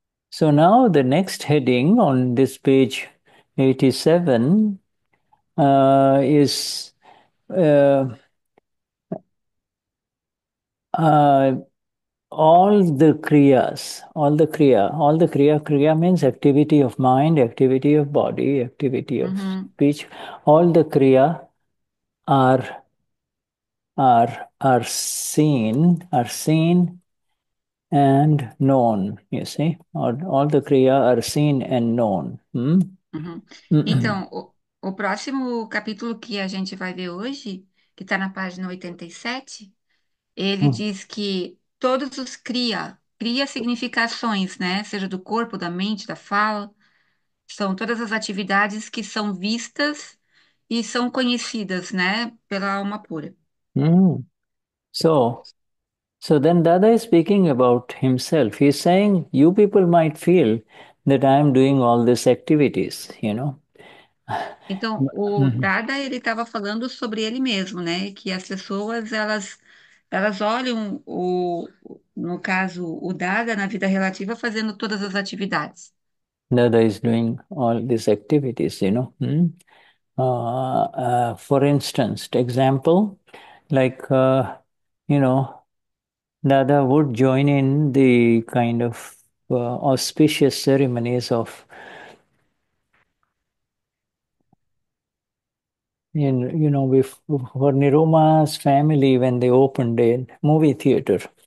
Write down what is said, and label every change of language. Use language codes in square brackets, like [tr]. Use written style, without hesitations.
[en] So now the next heading on this page 87 is all the kriya, kriya means activity of mind, activity of body, activity of speech, all the kriya are seen. And known, you see, all the kriya are seen and known. [pt] Então, o próximo capítulo que a gente vai ver hoje, que está na página 87, ele diz que todos os cria significações, né? Seja do corpo, da mente, da fala. São todas as atividades que são vistas e são conhecidas, né, pela alma pura. [en] So then Dada is speaking about himself. He's saying, you people might feel that I am doing all these activities, you know. [pt] Então, o Prada, ele estava falando sobre ele mesmo, né, que as pessoas, elas olham no caso, o Dada, na vida relativa, fazendo todas as atividades. [en] Dada is doing all these activities, you know. For instance, example, like, you know, Dada would join in the kind of auspicious ceremonies of, you know, for Niruma's family when they opened a movie theater.